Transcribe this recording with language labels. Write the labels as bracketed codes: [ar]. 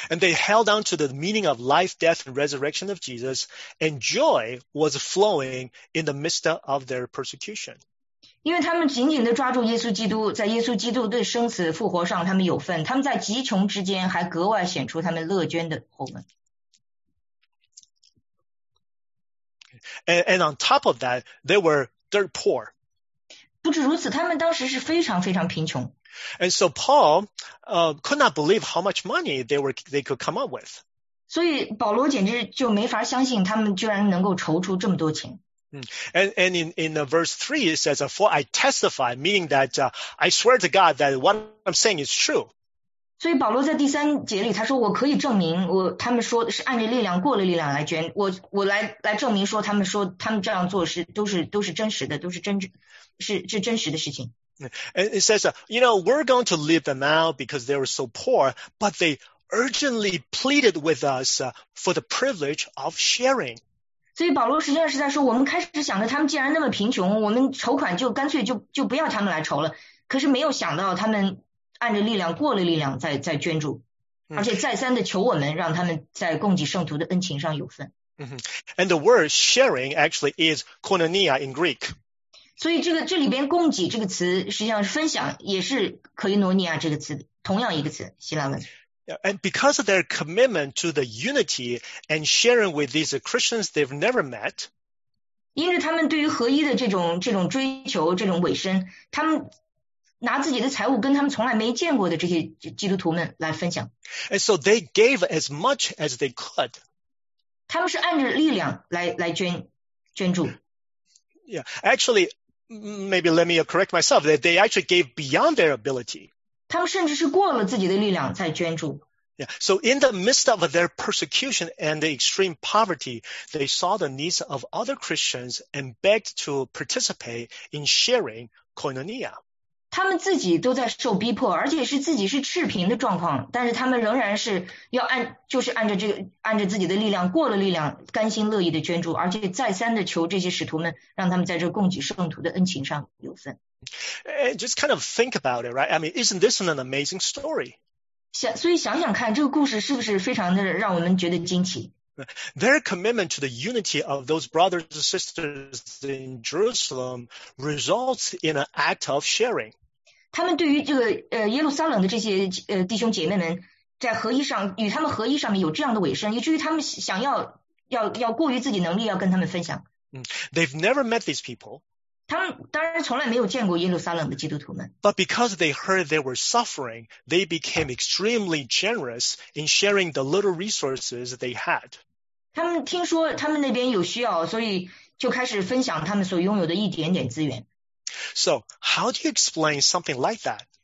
[en] And they held on to the meaning of life, death, and resurrection of Jesus, and joy was flowing in the midst of their persecution. [zh] 因为他们紧紧地抓住耶稣基督，在耶稣基督对生死复活上，他们有份。他们在极穷之间还格外显出他们乐捐的厚恩。 [en] And on top of that, they were dirt poor. [zh] 不止如此，他们当时是非常非常贫穷。 [en] And so Paul, could not believe how much money they could come up with. [zh] 所以保罗简直就没法相信他们居然能够筹出这么多钱。 [en] And in verse 3, it says, for I testify, meaning that I swear to God that what I'm saying is true. [zh] 所以保罗在第三节里他说我可以证明他们说是按着力量过了力量来捐我 来证明说他们这样做是都是真实的都是真是真实的事情。 [en] And it says, you know, we're going to leave them out because they were so poor, but they urgently pleaded with us for the privilege of sharing. [zh] 所以保罗实际上是在说我们开始想着他们既然那么贫穷我们筹款就干脆就不要他们来筹了可是没有想到他们按着力量过了力量再捐助，而且再三的求我们让他们在供给圣徒的恩情上有份。 [en] And the word sharing actually is koinonia in Greek. [zh] 所以这里边供给这个词实际上是分享，也是koinonia这个词，同样一个词，希腊文。 [en] And because of their commitment to the unity and sharing with these Christians they've never met, [zh] 因为他们对于合一的这种追求，这种委身，他们拿自己的财物跟他们从来没见过的这些基督徒们来分享。 [en] And so they gave as much as they could. [zh] 他们是按着力量来捐助。 [en] Yeah, actually, maybe let me correct myself, that they actually gave beyond their ability. [zh] 他们甚至是过了自己的力量在捐助。 [en] Yeah, so in the midst of their persecution and the extreme poverty, they saw the needs of other Christians and begged to participate in sharing koinonia. [zh] 他们自己都在受逼迫，而且是自己是赤贫的状况，但是他们仍然是要按着自己的力量，过了力量，甘心乐意的捐助，而且再三的求这些使徒们让他们在这供给圣徒的恩情上有份。 [en] And just kind of think about it, right? I mean, isn't this an amazing story? [zh] 所以想想看，这个故事是不是非常的让我们觉得惊奇？ [en] Their commitment to the unity of those brothers and sisters in Jerusalem results in an act of sharing. [zh] 他们对于这个耶路撒冷的这些弟兄姐妹们，在合一上与他们合一上面有这样的委身，以至于他们想要过于自己能力要跟他们分享。 [en] They've never met these people. [zh] 他们当然从来没有见过耶路撒冷的基督徒们。 [en] But because they heard they were suffering, they became extremely generous in sharing the little resources they had. [zh] 他们听说他们那边有需要，所以就开始分享他们所拥有的一点点资源。 [en] So, how do you explain something like that?